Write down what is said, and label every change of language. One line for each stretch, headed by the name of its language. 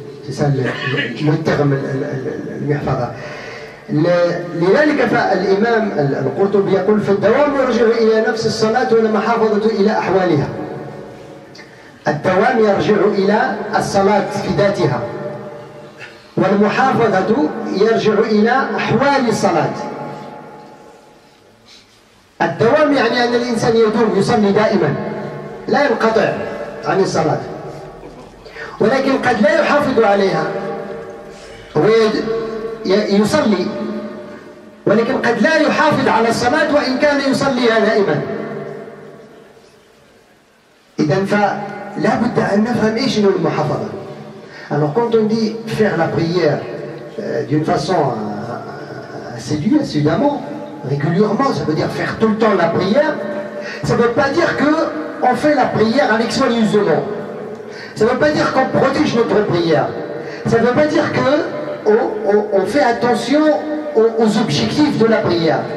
French: C'est ça le terme, le mihfada.
Arabic: لذلك فالإمام القرطبي يقول في الدوام يرجع إلى نفس الصلاة والمحافظة إلى أحوالها. الدوام يرجع إلى الصلاة في ذاتها، والمحافظة يرجع إلى أحوال الصلاة. الدوام يعني أن الإنسان يدوم، يصلي دائما، لا ينقطع عن الصلاة، ولكن قد لا يحافظ عليها ويصلي، ولكن قد لا يحافظ على الصلاة وإن كان يصليها دائما. إذن فلا بد أن نفهم إيش هو المحافظة.
French: Alors quand on dit faire la prière d'une façon assidue, assidûment, régulièrement, ça veut dire faire tout le temps la prière, ça ne veut pas dire qu'on fait la prière avec soigneusement. Ça ne veut pas dire qu'on protège notre prière. Ça ne veut pas dire qu'on fait attention aux objectifs de la prière.